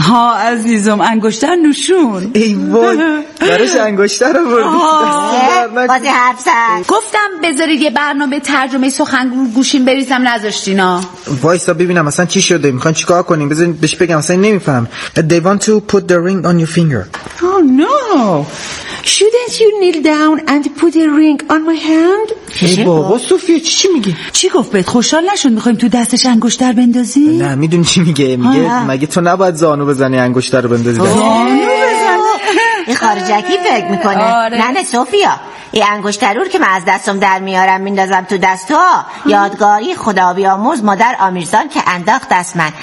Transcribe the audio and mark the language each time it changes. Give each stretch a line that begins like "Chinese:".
Persian: ها عزیزم، انگشتر نوشون. ای وای، برش انگشتر رو بردی بازی هفتر. گفتم بذارید یه برنامه ترجمه سخنگو گوشیم بریزم، نذاشتینا. وایسا ببینم اصلا چی شده، میخوان چی کار کنیم؟ بذارید بهش بگم، اصلا نمیفهم.
English: They want to put the ring on your finger. Oh no. Shouldn't you kneel down and put a ring on my hand?
Persian: ای بابا سوفیا چی میگه؟ چی گفت بهت؟ خوشحال نشد میخوایم تو دستش انگشتر بندازی؟ نه میدونی چی میگه؟ میگه مگه تو نباید زانو بزنی انگشتر بندازی؟ زانو بزنی؟ این خارجکی فکر میکنه. نه نه سوفیا، این انگشترور که من از دستم در میارم میندازم تو دستها، یادگاری خدا بیامرز مادر آمیرزان که انداخت دست من.